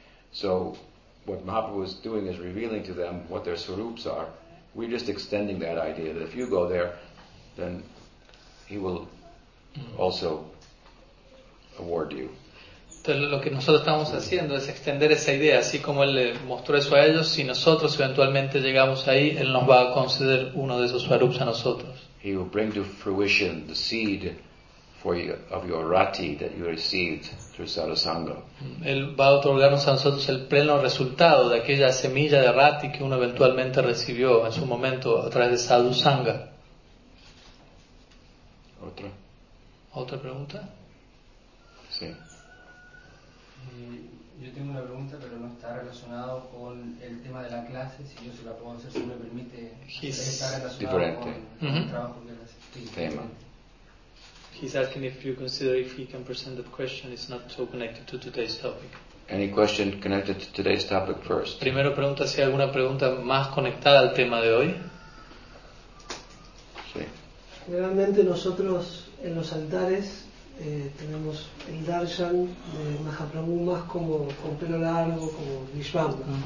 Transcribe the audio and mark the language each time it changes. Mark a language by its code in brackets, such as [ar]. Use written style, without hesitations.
[en] So what Mahaprabhu is doing is revealing to them what their swarups are. We're just extending that idea that if you go there, then he will also award you. [es] Entonces, lo que nosotros estamos haciendo es extender esa idea, así como él le mostró eso a ellos, si nosotros eventualmente llegamos ahí, él nos va a conceder uno de esos swarups a nosotros. [en] He will bring to fruition the seed for you, of your rati that you received through sarasanga. [es] Él va a otorgarnos a nosotros el pleno resultado de aquella semilla de rati que uno eventualmente recibió en su momento a través de sadhusanga. ¿Otra? ¿Otra pregunta? Sí. Yo tengo una pregunta, pero no está relacionado con el tema de la clase. Si yo se la puedo hacer, si me permite, [en] he's [es] está relacionado diferente. Con el trabajo que hace. Tema. [en] He's asking if you consider if he can present the question is not so connected to today's topic. Any question connected to today's topic first. [es] Primero pregunta si hay alguna pregunta más conectada al tema de hoy. Sí. Generalmente nosotros en los altares tenemos el darshan de Mahaprabhu más como con pelo largo, como Vishvamba.